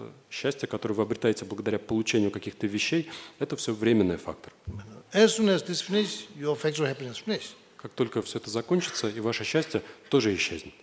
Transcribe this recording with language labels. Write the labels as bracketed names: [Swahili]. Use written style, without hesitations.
[Russian] Счастье, которое вы обретаете благодаря получению каких-то вещей, это все временный фактор. [English] As soon as this finish, your factor of happiness finish. [Russian] Как только все это закончится, и ваше счастье тоже исчезнет.